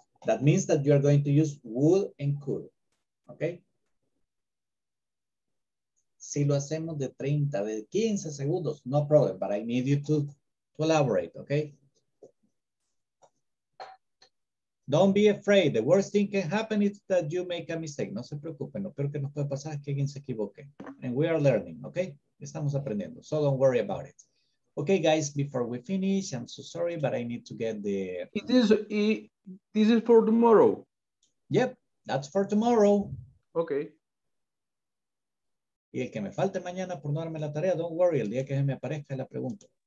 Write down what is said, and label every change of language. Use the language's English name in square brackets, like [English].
[English] That means that you are going to use would and could. ¿Ok? [Spanish] Si lo hacemos de 30, de 15 segundos, [English] no problem, but I need you to elaborate, okay? Don't be afraid. The worst thing can happen is that you make a mistake. [Spanish] No se preocupen, lo peor que nos puede pasar es que alguien se equivoque. [English] And we are learning, okay? [Spanish] Estamos aprendiendo, [English] so don't worry about it. Okay, guys, before we finish, I'm so sorry, but I need to get the... This is for tomorrow. Yep, that's for tomorrow. Okay. [Spanish] Y el que me falte mañana por no darme la tarea, [English] don't worry, [Spanish] el día que me aparezca la pregunto.